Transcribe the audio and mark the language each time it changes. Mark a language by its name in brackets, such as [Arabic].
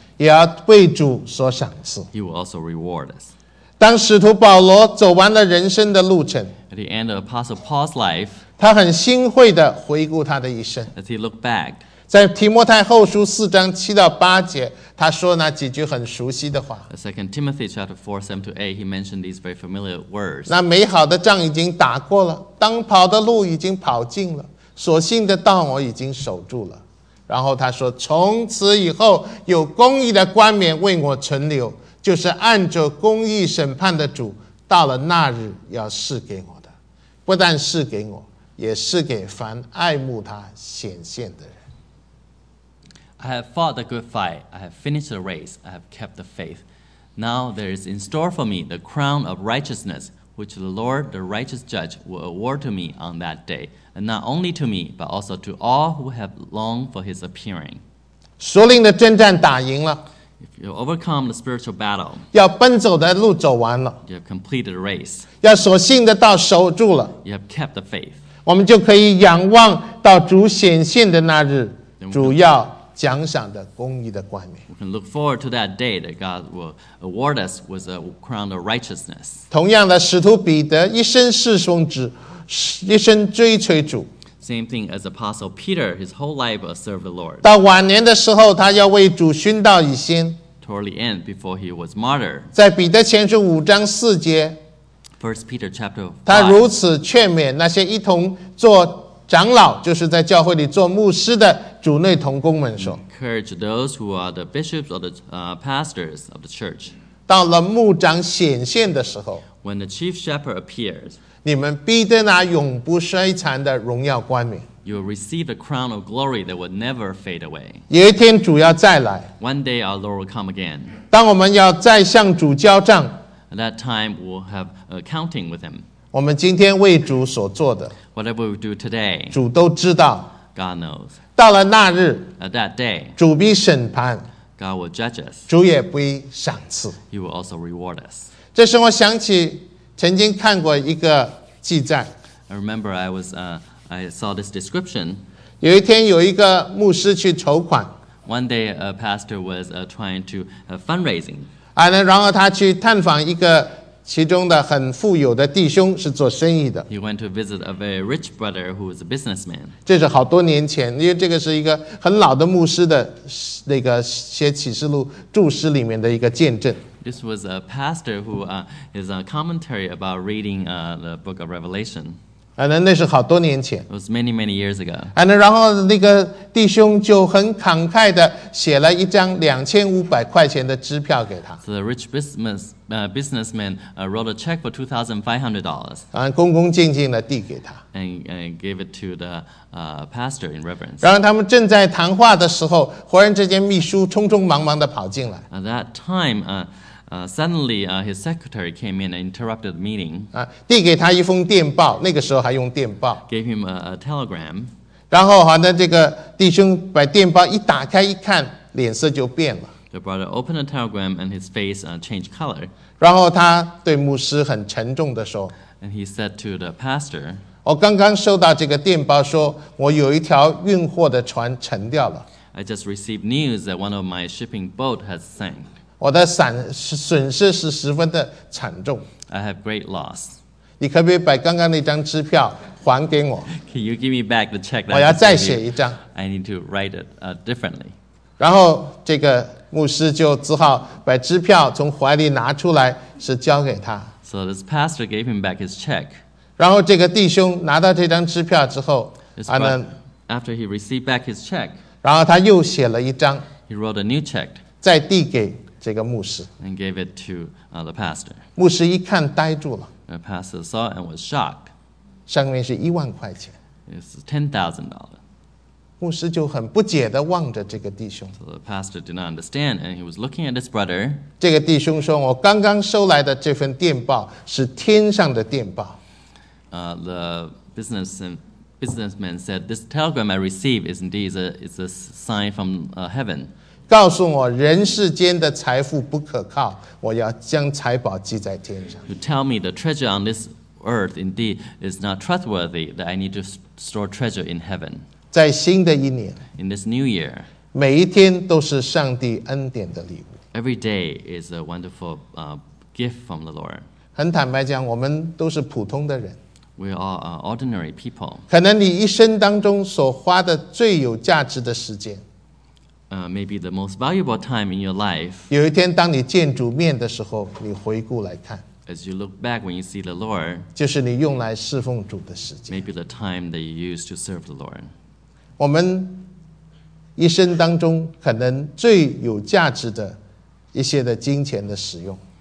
[Chinese] 也要被主所赏赐。 [English] He will also reward us. [Chinese] 当使徒保罗走完了人生的路程。 [English] At the end of Apostle Paul's life. [Chinese] 他很欣慰地回顾他的一生。 [English] As he looked back. [Chinese] 在提摩太后书四章七到八节，他说那几句很熟悉的话。 [English] Second Timothy chapter 4, 7 to 8, he mentioned these very familiar words. [Chinese] 那美好的仗已经打过了，当跑的路已经跑尽了，所信的道我已经守住了。然后他说，从此以后有公义的冠冕为我存留，就是按着公义审判的主，到了那日要赐给我的，不但赐给我，也赐给凡爱慕他显现的人。 [English] I have fought the good fight. I have finished the race. I have kept the faith. Now there is in store for me the crown of righteousness, which the Lord, the righteous judge, will award to me on that day. And not only to me, but also to all who have longed for his appearing. [Chinese] 属灵的征战打赢了。 [English] If you overcome the spiritual battle, [Chinese] 要奔走的路走完了。 [English] You have completed the race. [Chinese] 要所信的道守住了。 [English] You have kept the faith. [Chinese] 我们就可以仰望到主显现的那日，主要奖赏的公义的冠冕。 [English] We can look forward to that day that God will award us with a crown of righteousness. [Chinese] 同样的，使徒彼得一生侍奉主，一生追随主。 [English] Same thing as Apostle Peter, his whole life served the Lord. [Chinese] 到晚年的时候，他要为主殉道以先。 [English] Toward the end, before he was martyred. [Chinese] 在彼得前书五章四节 [English] ，First Peter chapter 5, [Chinese] 他如此劝勉那些一同做。长老就是在教会里做牧师的主内同工们说 [English] encourage those who are the bishops or the pastors of the church [Chinese] 到了牧长显现的时候 [English] when the chief shepherd appears [Chinese] 你们必得那永不衰残的荣耀冠冕 [English] you will receive a crown of glory that will never fade away [Chinese] 有一天主要再来 [English] one day our Lord will come again [Chinese] 当我们要再向主交账 [English] that time we'll have accounting with him. [Chinese] 我们今天为主所做的 [English] whatever we do today, [Chinese] 主都知道 [English] God knows. [Chinese] 到了那日 [English] at that day, [Chinese] 主必审判 [English] God will judge us. [Chinese] 主也必赏赐 [English] He will also reward us. [Chinese] 这时我想起曾经看过一个记载 [English] I remember I saw this description. [Chinese] 有一天有一个牧师去筹款 [English] One day a pastor was trying to fundraising. [Chinese] 然后他去探访一个其中的很富有的弟兄是做生意的。 [English] He went to visit a very rich brother who was a businessman. [Chinese] 这是好多年前，因为这个是一个很老的牧师的那个写启示录注释里面的一个见证。 [English] This was a pastor who is a commentary about reading the book of Revelation. [Chinese] 那是好多年前。 [English] It was many many years ago. [Chinese] 然后那个弟兄就很慷慨的写了一张2500块钱的支票给他。 [English] So the rich businessman wrote a check for $2,500. [Chinese] 恭恭敬敬的递给他。 [English] And gave it to the pastor in reverence. [Chinese] 然后他们正在谈话的时候，忽然之间秘书匆匆忙忙的跑进来。 [English] At that time, suddenly, his secretary came in and interrupted the meeting. [Chinese] 递给他一封电报，那个时候还用电报。 [English] Gave him a telegram. [Chinese] 然后好像这个弟兄把电报一打开一看，脸色就变了。 [English] The brother opened the telegram and his face changed color. [Chinese] 然后他对牧师很沉重地说。 [English] And he said to the pastor, [Chinese] 我刚刚收到这个电报说，我有一条运货的船沉掉了。 [English] I just received news that one of my shipping boat has sank. [Chinese] 我的损失是十分的惨重。 [English] I have great loss. [Chinese] 你可不可以把刚刚那张支票还给我 [English] ？Can you give me back the check? [Chinese] 我要再写一张。 [English] I need to write it differently. [Chinese] 然后这个牧师就只好把支票从怀里拿出来，是交给他。 [English] So this pastor gave him back his check. [Chinese] 然后这个弟兄拿到这张支票之后， [English] After he received back his check, [Chinese] 然后他又写了一张。 [English] He wrote a new check. [Chinese] 再递给。这个牧师 [English] and gave it to the pastor. [Chinese] 牧师一看呆住了 [English] The pastor saw and was shocked. [Chinese] 上面是10,000块钱 [English] It's $10,000. [Chinese] 牧师就很不解地望着这个弟兄 [English] So the pastor did not understand, and he was looking at his brother. [Chinese] 这个弟兄说：“我刚刚收来的这份电报是天上的电报。” [English] The businessman said, "This telegram I received is indeed a sign from heaven." [Chinese] 告诉我人世间的财富不可靠，我要将财宝记在天上。 [English] You tell me the treasure on this earth indeed is not trustworthy, that I need to store treasure in heaven. [Chinese] 在新的一年 [English] ，in this new year， [Chinese] 每一天都是上帝恩典的礼物。 [English] Every day is a wonderful gift from the Lord. [Chinese] 很坦白讲，我们都是普通的人。 [English] We are ordinary people. [Chinese] 可能你一生当中所花的最有价值的时间。 [English] Maybe the most valuable time in your life. [Chinese] 有一天，当你见主面的时候，你回顾来看。 [English] As you look back when you see the Lord. [Chinese] 就是你用来侍奉主的时间。 [English] Maybe the time that you use to serve the Lord. [Chinese] 我们一生当中可能最有价值的一些的金钱的使用。